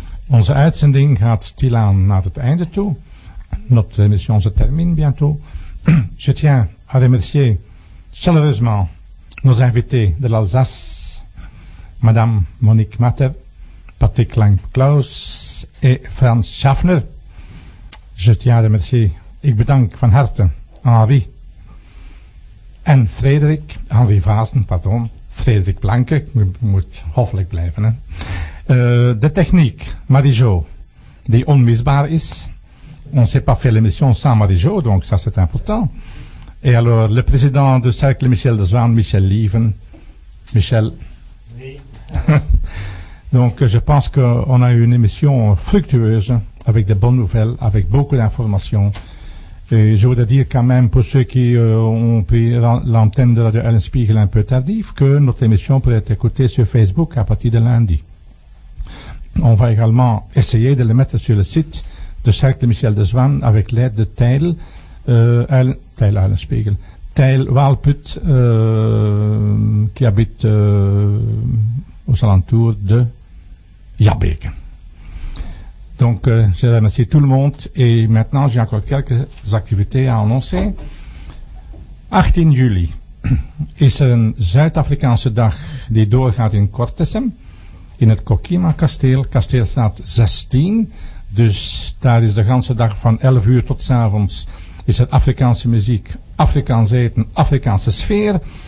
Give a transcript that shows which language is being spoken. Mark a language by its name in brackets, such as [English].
[Dutch] Onze uitzending gaat stilaan naar het einde toe. [French] Notre émission se termine bientôt. Je tiens à remercier chaleureusement nos invités de l'Alsace, Madame Monique Matter, Patrick Lang-Klaus et Frans Schaffner. Je tiens à remercier, [Dutch] ik bedank van harte Henri en Frederik, Henri Vazen, pardon. Frederik Blanke, moet hoffelijk blijven. Hè. De techniek, Marie-Jo, die onmisbaar is. [French] On ne sait pas faire l'émission sans Marie-Jo, donc ça c'est important. Et alors, le président du cercle, Michel de Zwaan, Michel Lieven. Michel. Oui. Donc, je pense qu'on a eu une émission fructueuse, avec de bonnes nouvelles, avec beaucoup d'informations. Et je voudrais dire quand même pour ceux qui ont pris l'antenne de Radio Eilenspiegel un peu tardif que notre émission pourrait être écoutée sur Facebook à partir de lundi. On va également essayer de le mettre sur le site de Cercle Michel de Zwaan avec l'aide de Tijl Walput qui habite aux alentours de Jabeke. Donc, je remercie tout le monde et maintenant, j'ai encore quelques activités à annoncer. [Dutch] 18 juli is er een Zuid-Afrikaanse dag die doorgaat in Kortesem, in het Kokima-kasteel, kasteelstraat 16. Dus daar is de ganse dag van 11 uur tot 's avonds, is er Afrikaanse muziek, Afrikaans eten, Afrikaanse sfeer.